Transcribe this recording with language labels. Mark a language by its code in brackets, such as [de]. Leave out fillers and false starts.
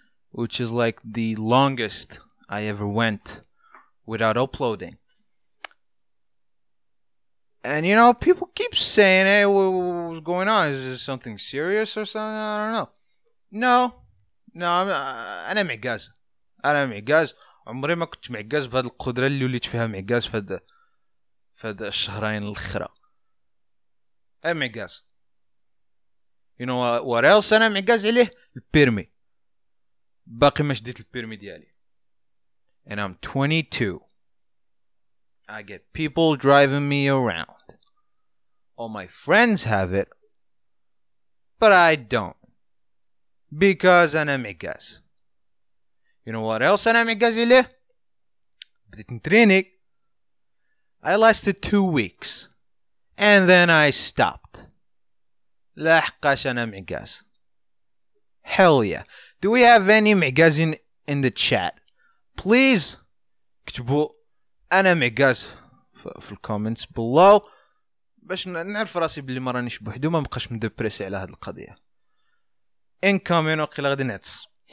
[en] Which is like the longest I ever went without uploading. And you know, people keep saying, hey, what's going on? Is this something serious or something? I don't know. No, I'm not. I'm not. [ar] عمري ما كنت معجز بهذه القدرة اللي وليت فيها معجز في هذا الشهرين الأخرى. [en] I'm [ar] معجز. [en] You know what else [ar] أنا معجز عليه؟ البيرمي. باقي ما شديت البيرمي ديالي. [en] And I'm 22. I get people driving me around. All my friends have it. But I don't. Because [ar] أنا معجز. [en] You know what else [ar] أنا معجز عليه؟ [en] Training. I lasted 2 weeks and then I stopped. [ar] لحقاش انا معجز. [en] Hell yeah. Do we have any معجز in the chat? Please [ar] اكتبوا انا معجز في الكومنتس [en] below [ar] باش نعرف راسي بلي ما رانيش بوحدي وما بقاش مدبرسي على هاد القضيه. Incoming وقيلا غادي نعتس.